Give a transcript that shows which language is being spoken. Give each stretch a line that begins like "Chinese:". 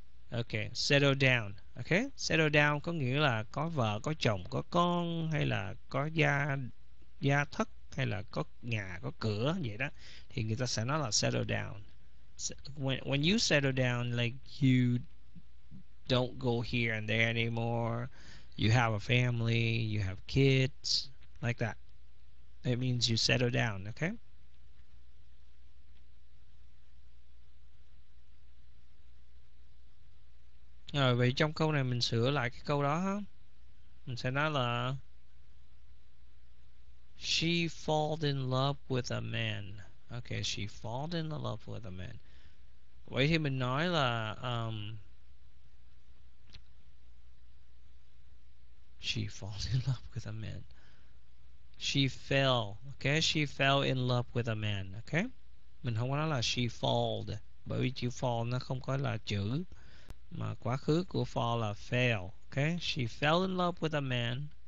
Vietnamese: Ok, settle down. Ok, settle down có nghĩa là có vợ, có chồng, có con, hay là có gia thất, hay là có nhà, có cửa vậy đó. Thì người ta sẽ nói là settle down.
English: When you settle down, like you don't go here and there anymore. You have a family, you have kids. Like that. It means you settle down, okay?
Vietnamese: Rồi, vậy trong câu này mình sửa lại cái câu đó ha. Mình sẽ nói là
English: she fall in love with a man. Okay, she fall in love with a man.
Vietnamese: Vậy thì mình nói là
English: she fall in love with a man. She fell, okay? She fell in love with a man, okay?
Vietnamese: Mình không có nói là
English: she falled,
Vietnamese: bởi vì chữ fall nó không có là chữ, mà quá khứ của fall là fell, okay?
English: She fell in love with a man.